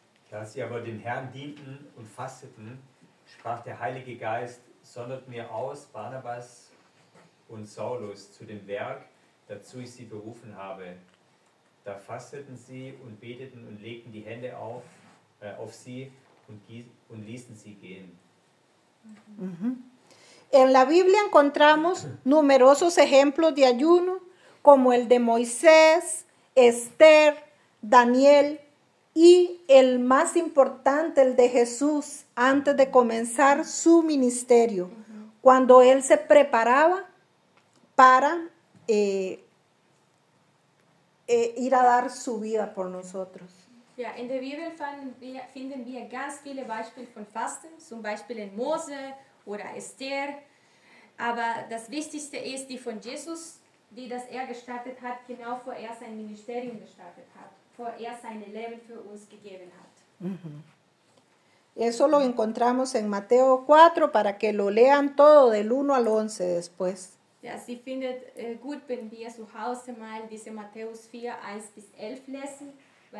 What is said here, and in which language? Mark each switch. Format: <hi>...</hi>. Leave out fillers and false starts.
<de>Da sie aber dem Herrn dienten und fasteten, sprach der Heilige Geist, sondert mir aus Barnabas und Saulus zu dem Werk, dazu ich sie berufen habe. Da fasteten sie und beteten und legten die Hände auf sie und ließen sie gehen.</de> <es>En la Biblia encontramos numerosos ejemplos de ayuno, como el de Moisés, Esther, Daniel y el más importante, el de Jesús, antes de comenzar su ministerio, cuando él se preparaba para ir a dar su vida por nosotros.</es> <de>Ja, in der Bibel finden wir ganz viele Beispiele von Fasten, zum Beispiel in Mose oder Esther. Aber das Wichtigste ist die von Jesus, die das er gestartet hat, genau vor er sein Ministerium gestartet hat, vor er sein Leben für uns gegeben hat.</de> <es>Eso lo encontramos en Mateo 4, para que lo lean todo del 1 al 11 después.</es> <de>Ja, sie findet gut, wenn wir zu Hause mal diese Matthäus 4, 1 bis 11 lesen.</de>